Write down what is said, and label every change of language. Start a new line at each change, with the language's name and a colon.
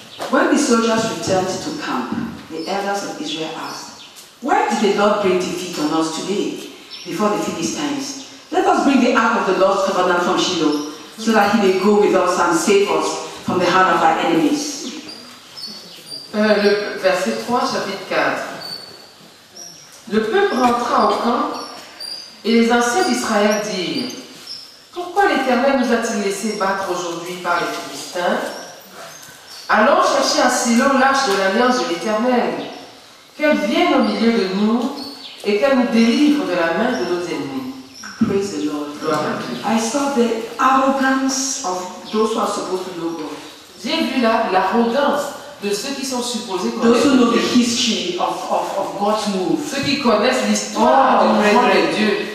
English: When the soldiers returned to camp, the elders of Israel asked, "Why did the Lord bring defeat on us today, before the Philistines? Let us bring the ark of the Lord's covenant from Shiloh, so that he may go with us and save us from the hand of our enemies."
French: Le verset 3, chapitre 4. Le peuple rentra au camp, et les anciens d'Israël dirent, « Pourquoi l'Éternel nous a-t-il laissé battre aujourd'hui par les Philistins? Allons chercher à Shiloh l'arche de l'alliance de l'Éternel, qu'elle vienne au milieu de nous et qu'elle nous délivre de la main de nos ennemis. »
English: Praise the Lord. I saw the arrogance of those who are supposed to know God.
French: J'ai vu là l'arrogance de ceux qui sont supposés connaître.
English: Those who know the history of God's move.
French: Ceux qui connaissent l'histoire du règne de Dieu.